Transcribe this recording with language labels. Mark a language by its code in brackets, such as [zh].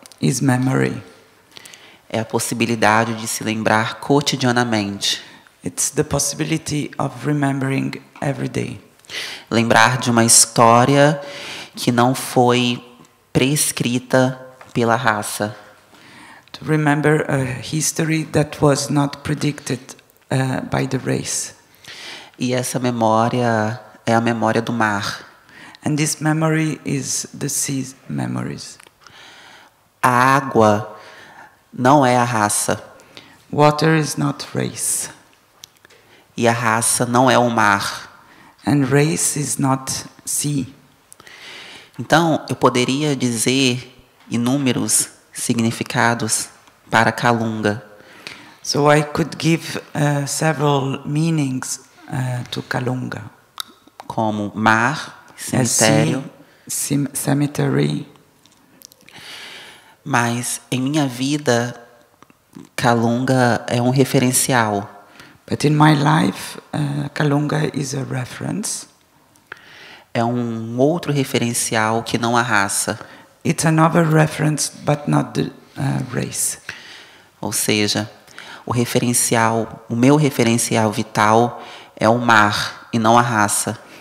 [en] Is memory. [pt] É a possibilidade de se lembrar cotidianamente. [en] It's the possibility of remembering every day. [pt] Lembrar de uma história que não foi prescrita pela raça. [en] To remember a history that was not predicted by the race. [pt] E essa memória é a memória do mar. [en] And this memory is the sea's memories. [pt] A água não é a raça. [en] Water is not race. [pt] E a raça não é o mar. [en] And race is not sea. [pt] Então, eu poderia dizer inúmeros significados para Kalunga. [en] So I could give several meanings to Kalunga. [pt] Como mar, cemitério. [en] Cemetery. [pt] Mas, em minha vida, Kalunga é um referencial. [en] But in my life, Kalunga is a reference. [pt] É um outro referencial que não a raça. [en] It's another reference, but not the race. [pt] Ou seja, o referencial, o meu referencial vital é o mar e não a raça.